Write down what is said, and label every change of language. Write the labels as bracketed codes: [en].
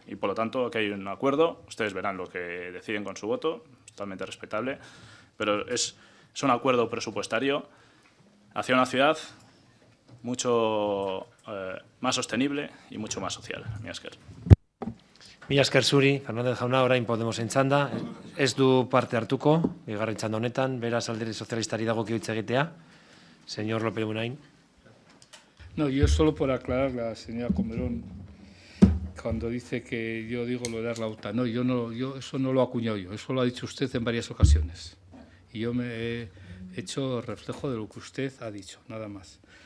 [es] Y por lo tanto, aquí hay un acuerdo, ustedes verán lo que deciden con su voto, totalmente respetable, pero es un acuerdo presupuestario hacia una ciudad mucho más sostenible y mucho más social. [eu] Miasker. Miasker zuri, Fernández Jauna, orain Podemos en txanda. Ez du parte hartuko, bigarren txanda honetan, beraz alderdi sozialistari dagokio hitz egitea. [es] Señor López Munain. No, yo solo por aclarar la señora Comerón cuando dice que yo digo lo de Arlauta. No, yo eso no lo he acuñado yo, eso lo ha dicho usted en varias ocasiones. Y yo me he hecho reflejo de lo que usted ha dicho, nada más.